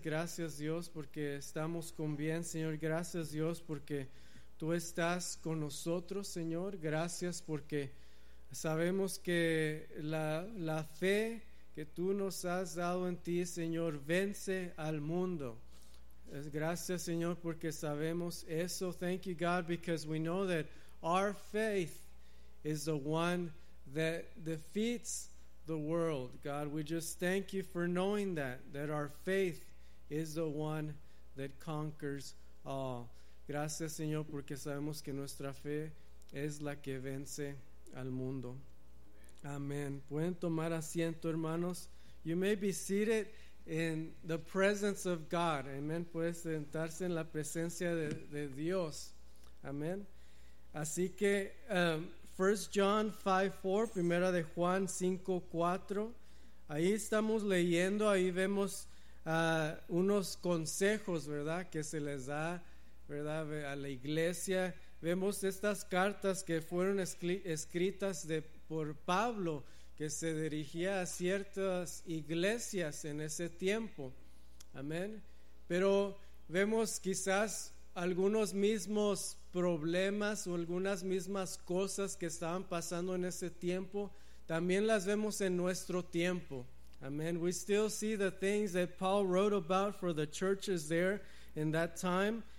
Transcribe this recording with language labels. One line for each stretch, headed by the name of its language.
Spanish: Gracias, Dios, porque estamos con bien, Señor. Gracias, Dios, porque tú estás con nosotros, Señor. Gracias porque sabemos que la fe que tú nos has dado en ti, Señor, vence al mundo. Gracias, Señor, porque sabemos eso.
English: Thank you, God, because we know that our faith is the one that defeats the world. God, we just thank you for knowing that our faith is the one that conquers all.
Spanish: Gracias, Señor, porque sabemos que nuestra fe es la que vence al mundo. Amen. Pueden tomar asiento, hermanos.
English: You may be seated in the presence of God.
Spanish: Amen. Puedes sentarse en la presencia de Dios. Amen. Así que 1 John 5:4, primera de Juan 5:4, ahí estamos leyendo, ahí vemos unos consejos, ¿verdad?, que se les da, ¿verdad?, a la iglesia. Vemos estas cartas que fueron escritas por Pablo, que se dirigía a ciertas iglesias en ese tiempo, amén. Pero vemos quizás algunos mismos problemas o algunas mismas cosas que estaban pasando en ese tiempo, también las vemos en nuestro tiempo. Amen.
English: We still see the things that Paul wrote about for the churches there in that time.